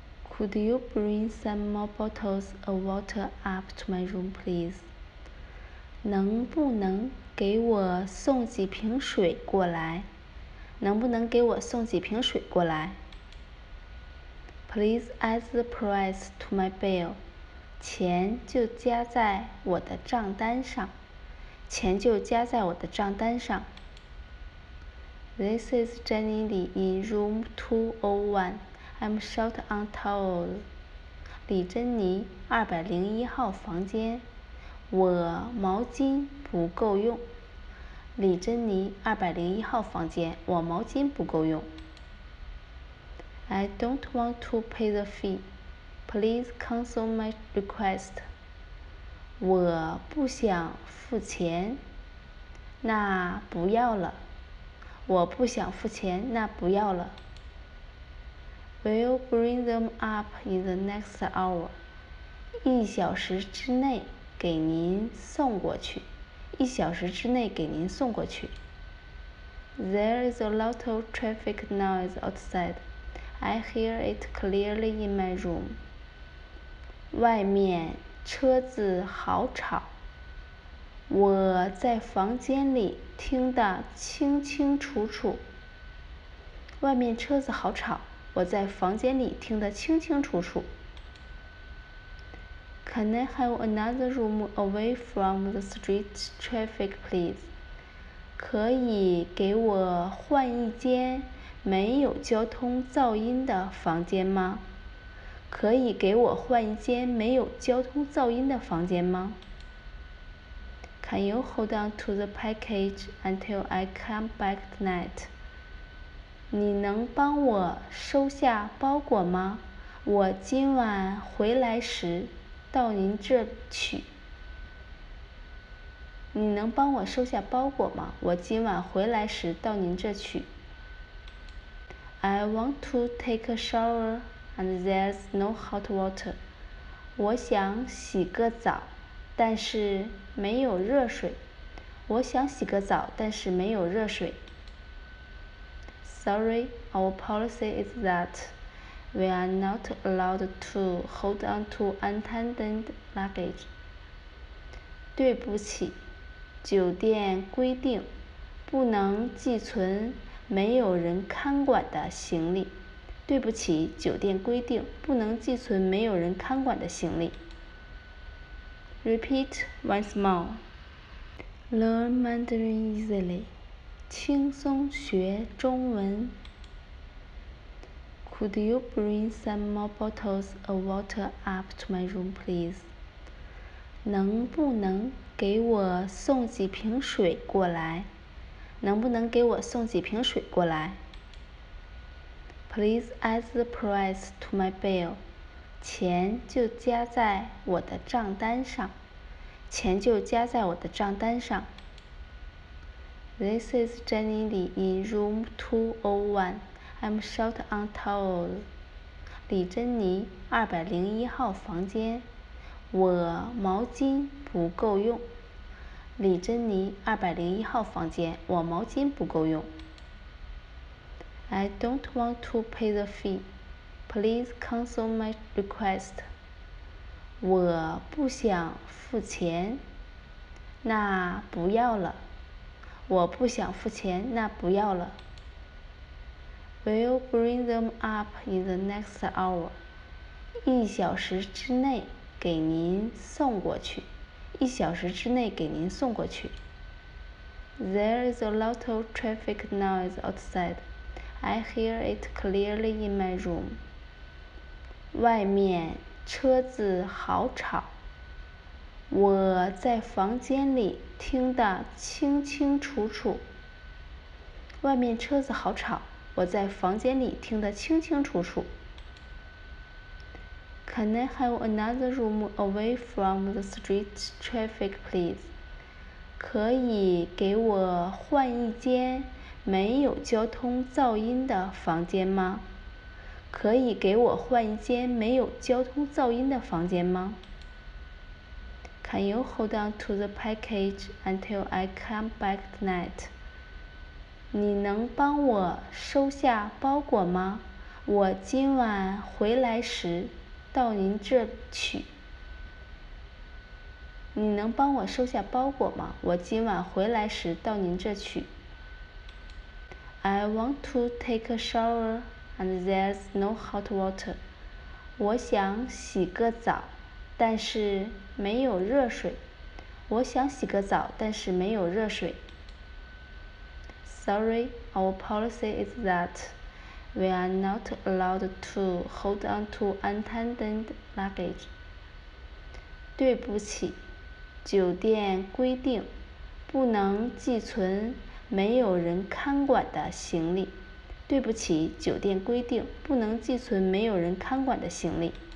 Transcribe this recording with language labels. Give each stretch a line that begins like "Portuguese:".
English: Could you bring some more bottles of water up to my room, please?
Chinese: 能不能给我送几瓶水过来？能不能给我送几瓶水过来？
English: Please add the price to my bill.
Chinese: 钱就加在我的账单上。钱就加在我的账单上。
English: This is Jenny Li in room 201. I'm short on towels.
Chinese: 李珍妮201号房间，我毛巾不够用。李珍妮201号房间，我毛巾不够用。
English: I don't want to pay the fee. Please cancel my request.
Chinese: 我不想付钱，那不要了。我不想付钱，那不要了。
English: We'll bring them up in the next hour.
Chinese: 一小时之内给您送过去。一小时之内给您送过去。
English: There is a lot of traffic noise outside. I hear it clearly in my room.
Chinese: 外面车子好吵，我在房间里听得清清楚楚。外面车子好吵，我在房间里听得清清楚楚。
English: Can I have another room away from the street traffic, please?
Chinese: 可以给我换一间没有交通噪音的房间吗？可以给我换一间没有交通噪音的房间吗？
English: Can you hold on to the package until I come back tonight?
Chinese: 你能帮我收下包裹吗？我今晚回来时到您这取。你能帮我收下包裹吗？我今晚回来时到您这取。
English: I want to take a shower. And there's no hot water.
Chinese: 我想洗个澡，但是没有热水。我想洗个澡，但是没有热水。
English: Sorry, our policy is that we are not allowed to hold on to unattended luggage.
Chinese: 对不起，酒店规定不能寄存没有人看管的行李。对不起，酒店规定不能寄存没有人看管的行李。
English: Repeat once more. Learn Mandarin easily.
Chinese: 轻松学中文。
English: Could you bring some more bottles of water up to my room, please?
Chinese: 能不能给我送几瓶水过来？能不能给我送几瓶水过来？
English: Please add the price to my bill.
Chinese: 钱就加在我的账单上。钱就加在我的账单上。
English: This is Jenny Li in room 201. I'm short on towels.
Chinese: 李珍妮201号房间。我毛巾不够用。李珍妮201号房间。我毛巾不够用。
English: I don't want to pay the fee. Please cancel my request.
Chinese: 我不想付钱，那不要了。我不想付钱，那不要了。
English: We'll bring them up in the next hour.
Chinese: 一小时之内给您送过去。一小时之内给您送过去。
English: There is a lot of traffic noise outside. I hear it clearly in my room.
Chinese: 外面车子好吵，我在房间里听得清清楚楚。外面车子好吵，我在房间里听得清清楚楚。
English: Can I have another room away from the street traffic, please?
Chinese: 可以给我换一间没有交通噪音的房间吗？可以给我换一间没有交通噪音的房间吗？
English: Can you hold on to the package until I come back tonight?
Chinese: 你能帮我收下包裹吗？我今晚回来时到您这取。你能帮我收下包裹吗？我今晚回来时到您这取。
English: I want to take a shower and there's no hot water.
Chinese: 我想洗个澡，但是没有热水。我想洗个澡，但是没有热水。
English: Sorry, our policy is that we are not allowed to hold on to unattended luggage.
Chinese: 对不起，酒店规定不能寄存没有人看管的行李。对不起，酒店规定不能寄存没有人看管的行李。